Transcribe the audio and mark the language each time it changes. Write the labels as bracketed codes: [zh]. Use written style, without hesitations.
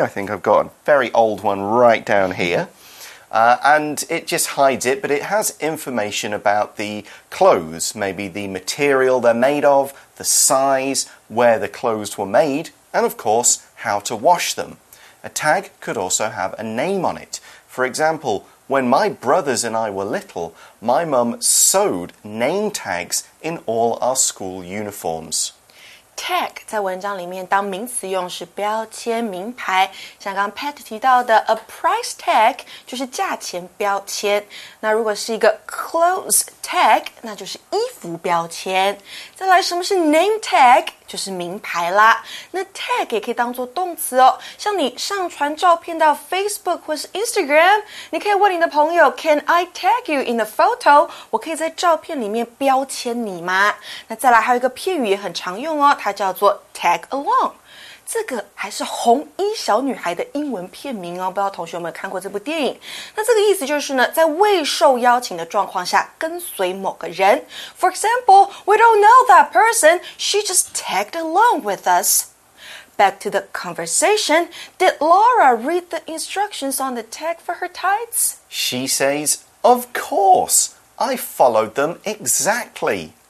[en] I think I've got a very old one right down here. And it just hides it, but it has information about the clothes, maybe the material they're made of, the size, where the clothes were made, and of course, how to wash them. A tag could also have a name on it. For example,When my brothers and I were little, my mum sewed name tags in all our school uniforms. [zh] Tag 在文章里面当名词用是标签、名牌。像刚 Pat 提到的 a price tag 就是价钱标签。那如果是一个 clothes tag, 那就是衣服标签。再来什么是 name tag? 就是名牌啦。那 tag 也可以当作动词哦。像你上传照片到 Facebook 或是 Instagram, 你可以问你的朋友 , [en] Can I tag you in the photo? [zh] 我可以在照片里面标签你吗？那再来还有一个片语也很常用哦，它叫做 tag along。这个还是红衣小女孩的英文片名哦，不知道同学有没有看过这部电影。那这个意思就是呢，在未受邀请的状况下跟随某个人。 [en] For example, we don't know that person, she just tagged along with us. Back to the conversation, did Laura read the instructions on the tag for her tights? She says, of course, I followed them exactly.